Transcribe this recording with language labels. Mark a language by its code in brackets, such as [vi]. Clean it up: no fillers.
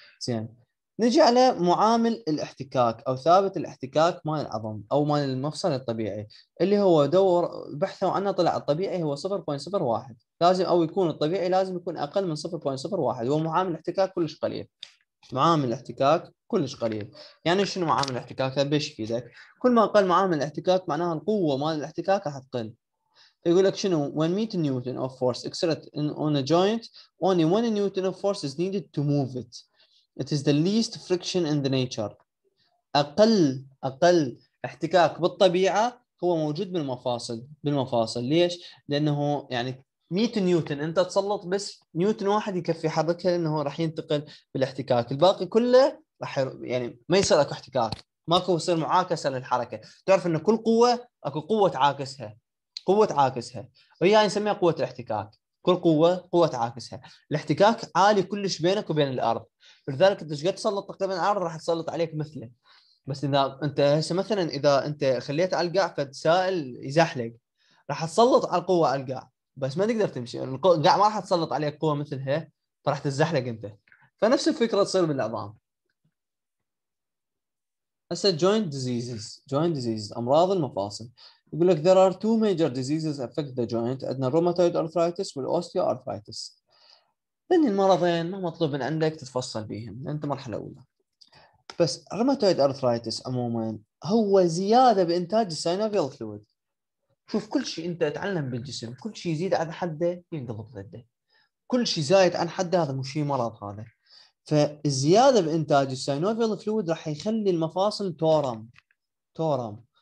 [ar] زين، نجي على معامل الاحتكاك او ثابت الاحتكاك مال العظم او مال المفصل الطبيعي، اللي هو دور بحثوا عنه طلع الطبيعي هو 0.01، لازم او يكون الطبيعي لازم يكون اقل من 0.01، هو معامل الاحتكاك كلش قليل. معامل الاحتكاك كلش قليل، يعني شنو معامل الاحتكاك؟ ايش يفيدك؟ كل ما اقل معامل الاحتكاك معناها القوه مال الاحتكاك راح تقل. يقول لك شنو؟ [en] When meet newton of force exert on a joint, only one newton of force is needed to move it. It is the least friction in the nature. [ar] أقل احتكاك بالطبيعة هو موجود بالمفاصل. بالمفاصل ليش؟ لأنه يعني 100 نيوتن أنت تسلط بس نيوتن واحد يكفي حركها، لأنه راح ينتقل بالاحتكاك، الباقي كله راح يعني ما يصير أكو احتكاك، ماكو يصير معاكسة للحركة. تعرف أن كل قوة أكو قوة تعاكسها، قوة تعاكسها، وهي نسميها قوة الاحتكاك. كل قوة قوة تعاكسها، الاحتكاك عالي كلش بينك وبين الأرض، لذلك انت قد تسلط تقريبا عرض راح تسلط عليك مثله. بس اذا انت هسه مثلا اذا انت خليت على القاع فد سائل يزحلق، راح تسلط على القوه على القاع بس ما تقدر تمشي، القاع ما راح تسلط عليك قوه مثلها فراح تزحلق انت. فنفس الفكره تصير بالعظام. [en] هسه joint diseases، joint diseases [ar] امراض المفاصل. يقول لك [en] there are two major diseases affect the joint، عندنا rheumatoid arthritis والosteoarthritis. [ar] لان المرضين ما مطلوب من عندك تتفصل بهم، انت مرحله اولى. بس روماتويد ارثرايتس عموما هو زياده بانتاج السينوفيال فلويد. شوف كل شيء انت تعلم بالجسم، كل شيء يزيد عن حده ينقلب ضده. كل شيء زايد عن حده هذا مو شيء مرض هذا. فالزياده بانتاج السينوفيال فلويد راح يخلي المفاصل تورم. تورم.